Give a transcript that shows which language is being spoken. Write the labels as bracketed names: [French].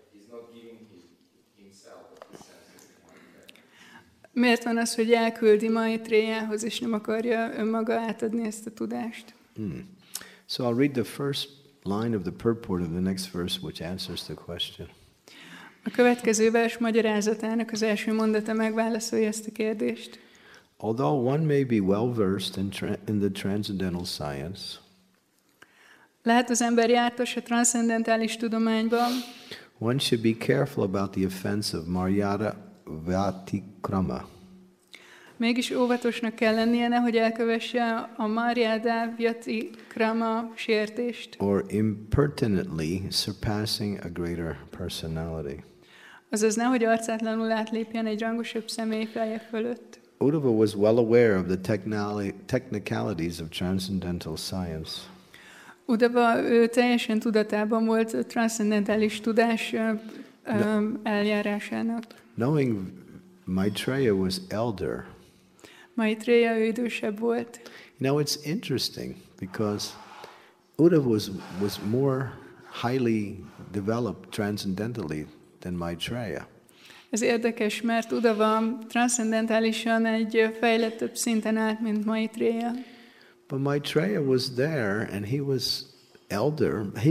[English] He's not giving himself, but he sends him to Maitreya. [Hungarian] Miért van az, hogy elküldi Maitreyához, és nem akarja önmaga átadni ezt a tudást? [English] So I'll read the first line of the purport of the next verse, which answers the question. [Hungarian] A következő vers magyarázatának az első mondata megválaszolja ezt a kérdést. [English] Although one may be well versed in the transcendental science, [Hungarian] Lehet az ember jártas a transzcendentális tudományban. [English] One should be careful about the offense of Maryada Vatikrama. [Hungarian] Mégis óvatosnak kell lennie, nehogy elkövesse a Maryada Vatikrama sértést. [English] Or impertinently surpassing a greater personality. [Hungarian] Azaz nehogy arcátlanul átlépjen egy rangosabb személy feje fölött. [English] Uddhava was well aware of the technicalities of transcendental science. [Hungarian] Uddhava teljesen tudatában volt a transzcendentális tudás eljárásának. [English] Knowing Maitreya was elder. [Hungarian] Maitreya idősebb volt. [English] Now it's interesting because Uddhava was more highly developed transcendentally than Maitreya. [Hungarian] Ez érdekes, mert Uddhava transzcendentálisan egy fejlettebb szinten állt, mint Maitreya. [English] But Maitreya was there, and he was elder.